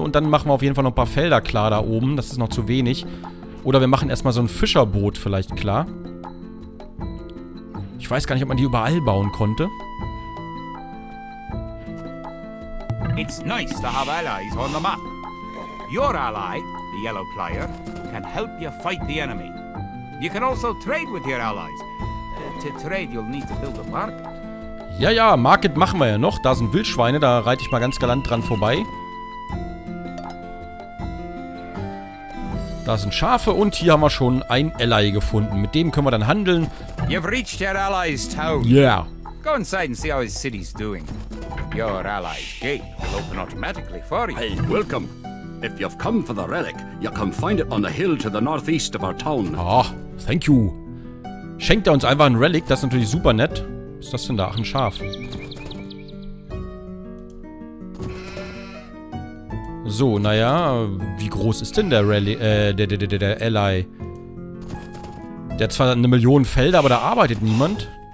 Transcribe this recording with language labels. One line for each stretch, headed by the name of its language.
German: Und dann machen wir auf jeden Fall noch ein paar Felder klar da oben. Das ist noch zu wenig. Oder wir machen erstmal so ein Fischerboot vielleicht klar. Ich weiß gar nicht, ob man die überall bauen konnte.
English: It's nice to have allies on the map. Your ally, the yellow player, can help you fight the enemy. You can also trade with your allies. To trade, you'll need to build a market.
German: Ja, ja, Market machen wir ja noch. Da sind Wildschweine, da reite ich mal ganz galant dran vorbei. Da sind Schafe und hier haben wir schon ein Ally gefunden. Mit dem können wir dann handeln.
English: You've reached your ally's town. Yeah. Go inside and see how his city's doing. Your ally's gate will open automatically for you. Hey, welcome. If you've come for the relic, you can find it on the hill to the northeast of our town. Ah, thank you.
German: Schenkt er uns einfach ein Relic, das ist natürlich super nett. Was ist das denn da? Ach, ein Schaf. So, naja, wie groß ist denn der Rally, der Ally? Der hat zwar eine Million Felder, aber da arbeitet niemand.